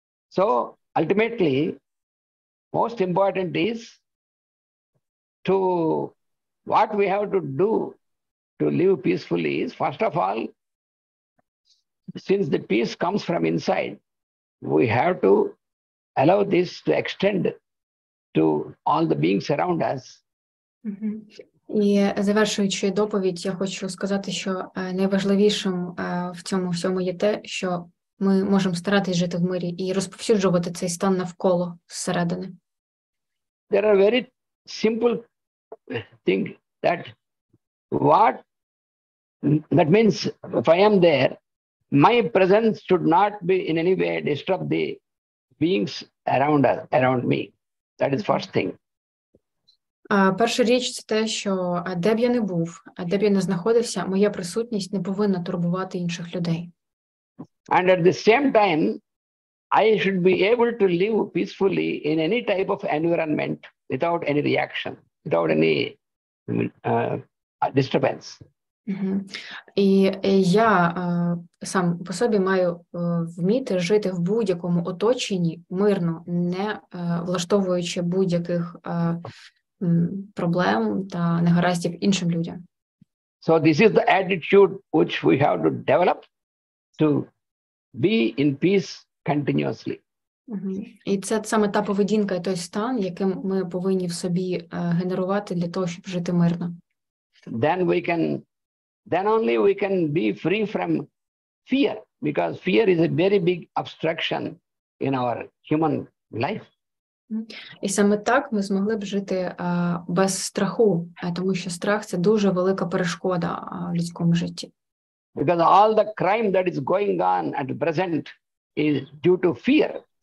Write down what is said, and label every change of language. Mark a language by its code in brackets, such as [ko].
[en] So ultimately, most important is to what we have to do to live peacefully is, first of all, since the peace comes from inside, we have to allow this to extend to all the beings around us. [uk] І завершуючи доповідь, я хочу сказати, що найважливішим в цьому всьому є те, що ми можемо старатися жити в мирі і розповсюджувати цей стан навколо, зсередини. [en] There are very simple thing that what that means, if I am there, my presence should not be in any way disturb the beings around us, around me. That is first thing. [uk] Перша річ – це те, що де б я не був, де б я не знаходився, моя присутність не повинна турбувати інших людей. [en] And at the same time, I should be able to live peacefully in any type of environment without any reaction, without any disturbance. [uk] І я сам по собі маю вміти жити в будь-якому оточенні мирно, не влаштовуючи будь-яких проблем та негараздів іншим людям. [en] So this is the attitude which we have to develop to be in peace continuously. [uk] І це саме та поведінка і той стан, яким ми повинні в собі генерувати для того, щоб жити мирно. [en] Then only we can be free from fear, because fear is a very big obstruction in our human life. [uk] І саме так ми змогли б жити без страху, тому що страх це дуже велика перешкода в людському житті. [en] Because all the crime that is going on at present is due to fear.